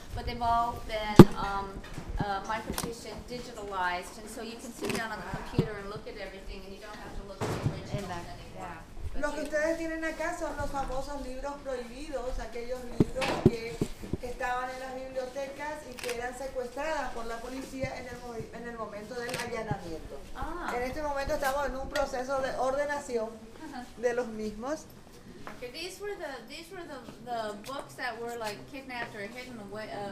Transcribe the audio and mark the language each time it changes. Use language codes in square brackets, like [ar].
[en] But they've all been micropartitioned, digitalized, and so you can sit down on the computer and look at everything, and you don't have to look at the original anymore. [es] Lo que ustedes tienen acá son los famosos libros prohibidos, aquellos libros que que estaban en las bibliotecas y que eran secuestradas por la policía en el momento del allanamiento. Ah. En este momento estamos en un proceso de ordenación de los mismos. [en] Okay, these were the books that were like kidnapped or hidden away.